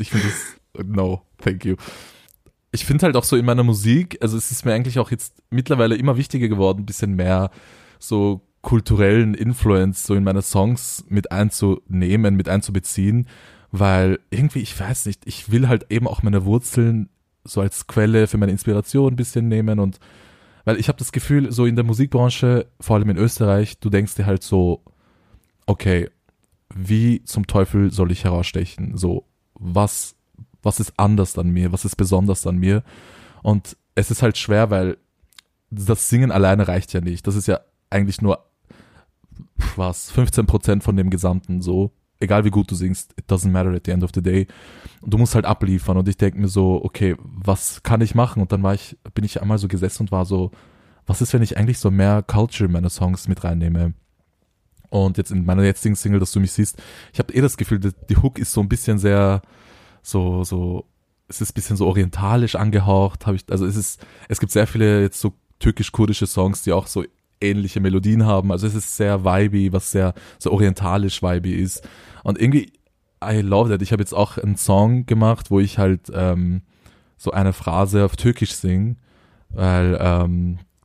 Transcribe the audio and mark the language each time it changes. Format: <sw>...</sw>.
<de>Ich finde das,</de> <en>no, thank you.</en> <de>Ich finde halt auch so in meiner Musik, also es ist mir eigentlich auch jetzt mittlerweile immer wichtiger geworden, ein bisschen mehr so kulturellen Influence so in meine Songs mit einzunehmen, mit einzubeziehen, weil irgendwie, ich weiß nicht, ich will halt eben auch meine Wurzeln so als Quelle für meine Inspiration ein bisschen nehmen und weil ich habe das Gefühl, so in der Musikbranche, vor allem in Österreich, du denkst dir halt so, okay, wie zum Teufel soll ich herausstechen? So, was ist anders an mir? Was ist besonders an mir? Und es ist halt schwer, weil das Singen alleine reicht ja nicht. Das ist ja eigentlich nur was, 15% von dem Gesamten, so. Egal wie gut du singst,</de> <en>it doesn't matter at the end of the day.</en> <de>Und du musst halt abliefern und ich denke mir so, okay, was kann ich machen? Und dann bin ich einmal so gesessen und war so, was ist, wenn ich eigentlich so mehr Culture in meine Songs mit reinnehme? Und jetzt in meiner jetzigen Single, dass du mich siehst, ich habe eh das Gefühl, die Hook ist so ein bisschen sehr, so, es ist ein bisschen so orientalisch angehaucht, habe ich, also es gibt sehr viele jetzt so türkisch-kurdische Songs, die auch so ähnliche Melodien haben, also es ist sehr vibey, was sehr so orientalisch vibey ist und irgendwie</de> <en>I love that.</en> <de>Ich habe jetzt auch einen Song gemacht, wo ich halt so eine Phrase auf Türkisch sing, weil</de>